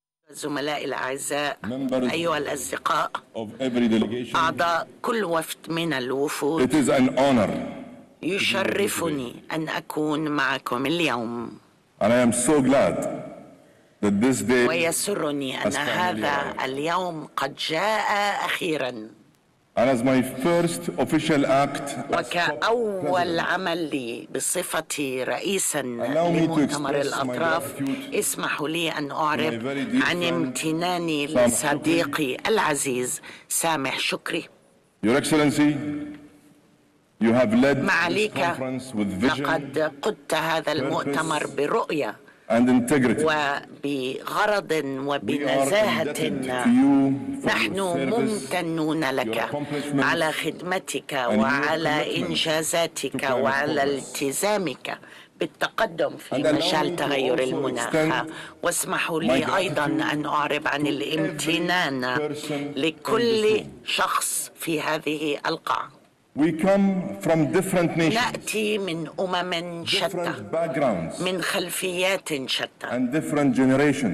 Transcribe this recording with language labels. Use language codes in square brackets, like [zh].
[ar] زملائي الأعزاء، أيها الأصدقاء، أعضاء كل وفد من الوفود، [en] It is an honor [ar] يشرفني أن أكون معكم اليوم. [en] And I am so glad that this day [ar] ويسرني أن هذا اليوم قد جاء أخيراً. [en] And as my first official act [ar] وكأول عمل لي بصفة رئيسا لمؤتمر الأطراف، اسمحوا لي أن أعرب عن امتناني لصديقي العزيز سامح شكري. [en] Your Excellency, you have led [ar] معليك لقد قدت هذا المؤتمر برؤية [en] And integrity. [ar] وبغرض وبنزاهة نحن ممتنون لك على خدمتك وعلى إنجازاتك وعلى التزامك بالتقدم في مجال تغير المناخ. واسمحوا لي أيضا أن أعرب عن الامتنان لكل شخص في هذه القاعة. [en] We come from different nations. [ar] نأتي من أمم شتى، [en] different backgrounds, [ar] من خلفيات شتى، [en] and different generations.